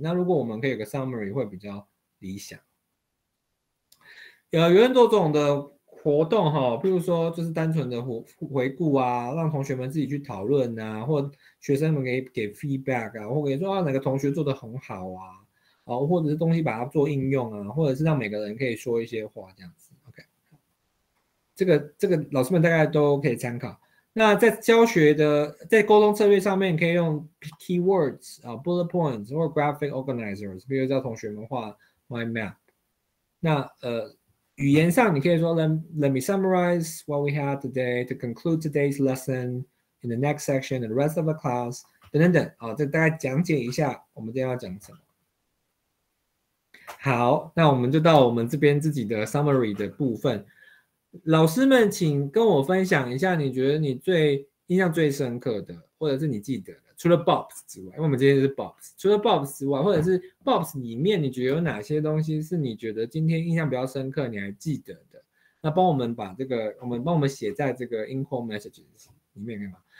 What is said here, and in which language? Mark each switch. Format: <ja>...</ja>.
<zh>那如果我们可以有个 summary 会比较理想。有很多种的活动，比如说就是单纯的回顾啊，让同学们自己去讨论啊，或学生们给 feedback 啊，或给说啊哪个同学做得很好啊，或者是东西把它做应用啊，或者是让每个人可以说一些话这样子。 OK， 这个老师们大概都可以参考。那在教学的在沟通策略上面，可以用 keywords bullet points 或 graphic organizers， 比如叫同学们画 mind map。那语言上你可以说</zh> <en>let me summarize what we had today to conclude today's lesson in the next section and the rest of the class</en> <zh>等等等，这大概讲解一下我们今天要讲什么。好，那我们就到我们这边自己的 summary 的部分。老师们请跟我分享一下你觉得你最印象最深刻的，或者是你记得的，除了 Bobs 之外，因为我们今天是 Bobs， 除了 Bobs 之外，或者是 Bobs 里面你觉得有哪些东西是你觉得今天印象比较深刻你还记得的，那帮我们把这个帮我们写在这个 Inquiry Messages 里面。</zh>